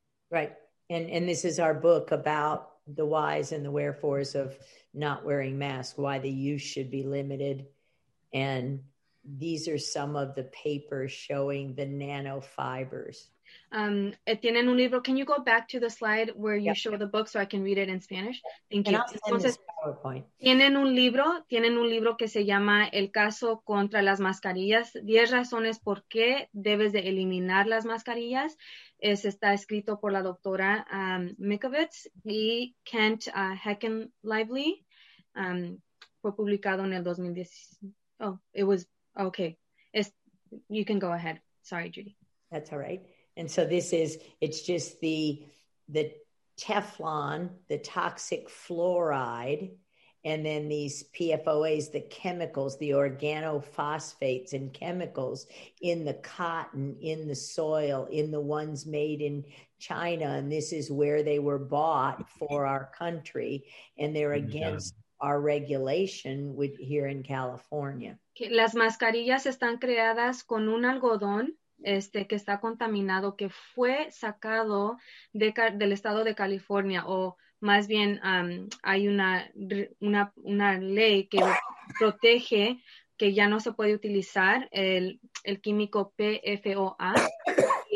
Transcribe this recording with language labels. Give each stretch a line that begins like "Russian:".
English: Right, and this is our book about the whys and the wherefores of not wearing masks, why the use should be limited. And these are some of the papers showing the nanofibers.
Spanish: Tienen un libro.
English: Can you go back to the slide where you show the book so I can read it in Spanish? Thank you.
Spanish: Entonces, PowerPoint. Tienen un libro que se llama El caso contra las mascarillas. 10 razones por qué debes de eliminar las mascarillas. Está escrito por la doctora Mikovits y Kent Hecken-Lively. Fue publicado en el 2010.
English: Oh, it was, okay. You can go ahead. Sorry, Judy. That's all right. And so this is, it's just the Teflon, the toxic fluoride, and then these PFOAs, the chemicals, the organophosphates and chemicals in the cotton, in the soil, in the ones made in China. And this is where they were bought for our country. And they're against our regulation here in California.
Spanish: Las mascarillas están creadas con un algodón. Que está contaminado, que fue sacado del estado de California, o más bien hay una ley que protege que ya no se puede utilizar el químico PFOA, y